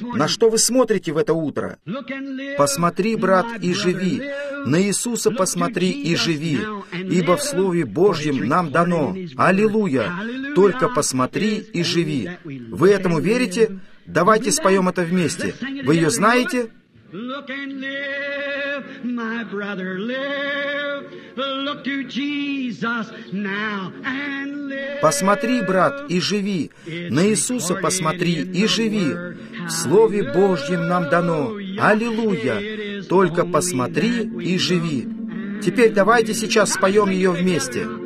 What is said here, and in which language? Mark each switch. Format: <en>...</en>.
<ru>На что вы смотрите в это утро? Посмотри, брат, и живи. На Иисуса посмотри и живи. Ибо в Слове Божьем нам дано. Аллилуйя! Только посмотри и живи. Вы этому верите? Давайте споем это вместе. Вы ее знаете?</ru> <en>Look and live, my brother, live. Look to Jesus now and live.</en> <ru>Посмотри, брат, и живи. На Иисуса посмотри и живи. В Слове Божьем нам дано. Аллилуйя! Только посмотри и живи. Теперь давайте сейчас споем ее вместе.</ru>